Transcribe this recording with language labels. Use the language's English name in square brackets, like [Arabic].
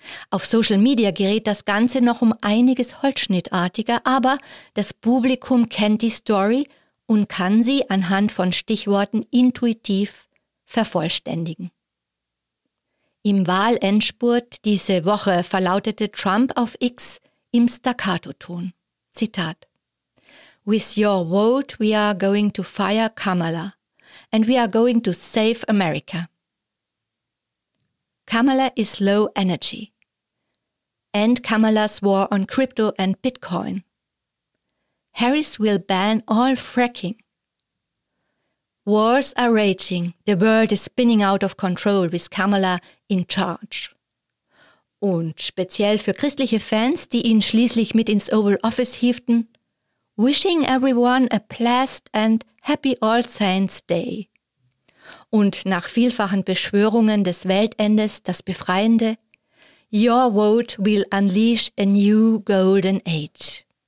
[German] Auf Social Media gerät das Ganze noch um einiges holzschnittartiger, aber das Publikum kennt die Story und kann sie anhand von Stichworten intuitiv vervollständigen. Im Wahlendspurt diese Woche verlautete Trump auf X im Staccato-Ton. [English] Zitat: With your vote we are going to fire Kamala and we are going to save America. Kamala is low energy. End Kamala's war on crypto and Bitcoin. Harris will ban all fracking. Wars are raging. The world is spinning out of control with Kamala in charge. [German] Und speziell für christliche Fans, die ihn schließlich mit ins Oval Office hieften: [English] Wishing everyone a blessed and happy All Saints Day. [German] Und nach vielfachen Beschwörungen des Weltendes das Befreiende: [English] Your vote will unleash a new golden age.